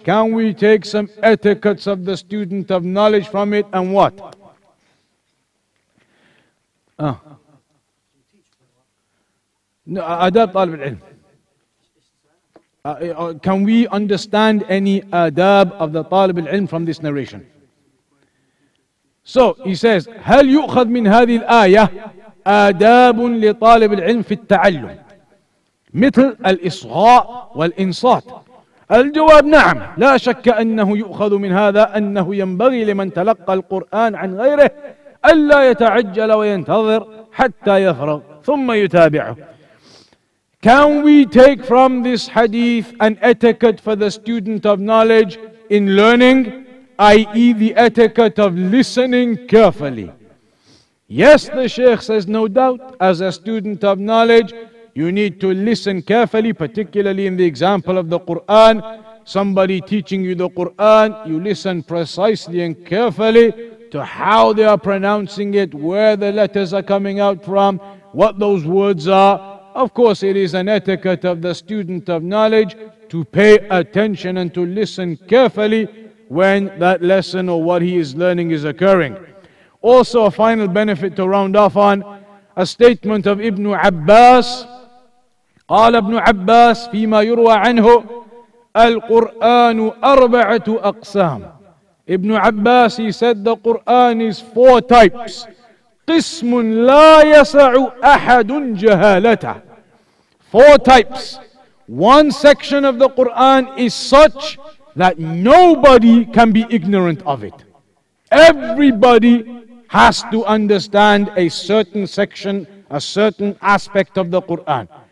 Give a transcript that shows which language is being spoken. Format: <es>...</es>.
<en>Can we take some etiquettes of the student of knowledge from it, and what?</en> <ar>Adab talib al-ilm.</ar> <en>Can we understand any adab of the talib al-ilm from this narration? So he says,</en> <ar>هل يؤخذ من هذه الآية آداب لطالب العلم في التعلم مثل الإصغاء والإنصات؟ الجواب نعم، لا شك أنه يؤخذ من هذا أنه ينبغي لمن تلقى القرآن عن غيره ألا يتعجل وينتظر حتى يفرغ ثم يتابعه.</ar> <en>Can we take from this hadith an etiquette for the student of knowledge in learning, i.e. the etiquette of listening carefully? Yes, the Shaykh says, no doubt, as a student of knowledge, you need to listen carefully, particularly in the example of the Qur'an. Somebody teaching you the Qur'an, you listen precisely and carefully to how they are pronouncing it, where the letters are coming out from, what those words are. Of course, it is an etiquette of the student of knowledge to pay attention and to listen carefully when that lesson or what he is learning is occurring. Also, a final benefit to round off on, a statement of Ibn Abbas.</en> <ar>قال ابن عباس فيما يروى عنه القرآن أربعة أقسام.</ar> <en>Ibn Abbas, he said, the Quran is four types.</en> <ar>قسم لا يسع أحد جهالته.</ar> <en>Four types. One section of the Quran is such that nobody can be ignorant of it. Everybody has to understand a certain section, a certain aspect of the Quran.</en>